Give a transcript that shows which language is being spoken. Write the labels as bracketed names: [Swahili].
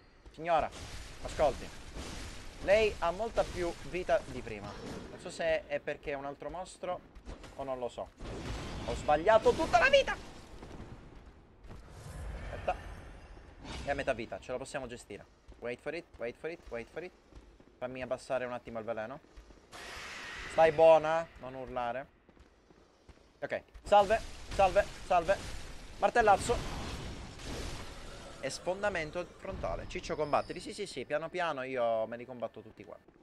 [Italian] Signora, ascolti. Lei ha molta più vita di prima. Non so se è perché è un altro mostro o non lo so. Ho sbagliato tutta la vita. Aspetta. è a metà vita, ce la possiamo gestire. [English] Wait for it, wait for it, wait for it. [Italian] Fammi abbassare un attimo il veleno. Stai buona, non urlare. Ok, salve, salve, salve. Martellazzo. E sfondamento frontale. Ciccio combatteli, sì sì sì, piano piano io me li combatto tutti qua.